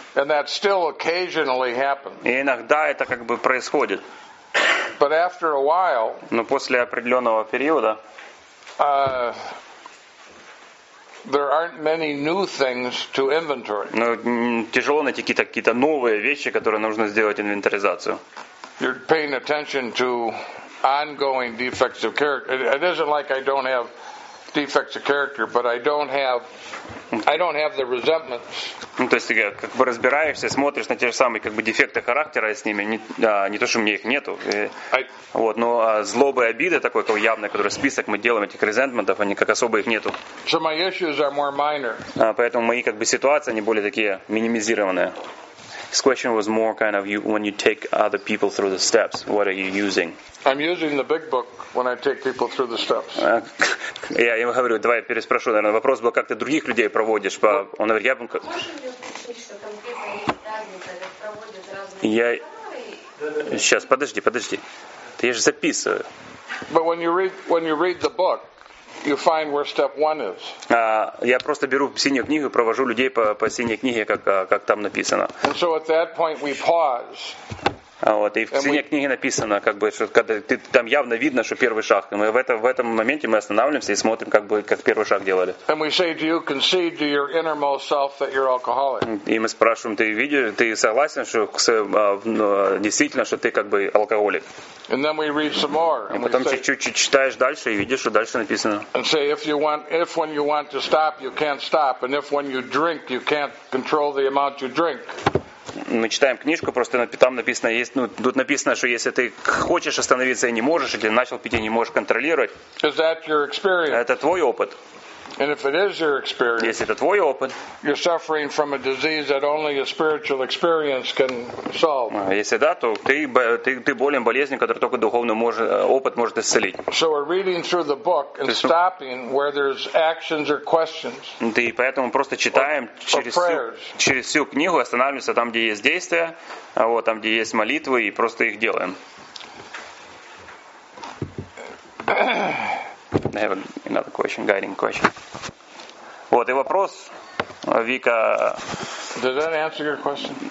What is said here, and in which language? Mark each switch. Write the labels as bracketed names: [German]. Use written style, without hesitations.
[English] And that still occasionally happens. [Russian] И иногда это как бы происходит. [English] But after a while, [Russian] но после определенного периода, [English] there aren't many new things to inventory. [Russian] Ну, тяжело найти какие-то новые вещи, которые нужно сделать инвентаризацию. [English] You're paying attention to ongoing defects of character. It isn't like I don't have defects of character, but I don't have the resentments. [Russian] Ну, то есть ты как бы разбираешься, смотришь на те же самые как бы дефекты характера с ними, не то, что у меня их нету. Злобы и обиды такой явный, который список мы делаем этих резентментов, они как особо их нету. [English] So my issues are more minor. [Russian] Поэтому мои как бы ситуации, они более такие минимизированные. [English] This question was more kind of you when you take other people through the steps. What are you using? I'm using the big book when I take people through the steps. [Russian] Я ему говорю, давай я переспрошу, наверное, вопрос был, как ты других людей проводишь? Он говорит, я бы. Можем ли услышать, что конкретно разница, как проводят разные? Я сейчас подожди, ты же записываю. [English] But when you read the book. You find where step one is. [Russian] Я просто беру синюю книгу и провожу людей по синей книге, как там написано. And so at that point we pause. И в синей книге написано, как бы, что когда ты там явно видно, что первый шаг. Мы в этом моменте мы останавливаемся и смотрим, как бы, как первый шаг делали. [English] And we say, do you concede to your innermost self that you're alcoholic? [Russian] И мы спрашиваем, ты согласен, что действительно, что ты как бы алкоголик? [English] And then we read some more. [Russian] И потом чуть-чуть читаешь дальше и видишь, что дальше написано. [English] And say, if when you want to stop, you can't stop, and if when you drink, you can't control the amount you drink. [Russian] Мы читаем книжку, просто там написано, тут написано, что если ты хочешь остановиться и не можешь, или начал пить и не можешь контролировать, [English] is that your experience? [Russian] Это твой опыт. [English] And if it is your experience, [Russian] если это твой опыт, [English] you're suffering from a disease that only a spiritual experience can solve. [Russian] Если да, то ты болен болезнью, которую только духовный опыт может исцелить. [English] So we're reading through the book and stopping where there's actions or questions. [Russian] Да, и поэтому просто читаем через всю книгу, останавливаемся там, где есть действия, там, где есть молитвы, и просто их делаем. [English] I have another question, guiding question. [Russian] Вот, и вопрос, Вика. [English] Did that answer your question?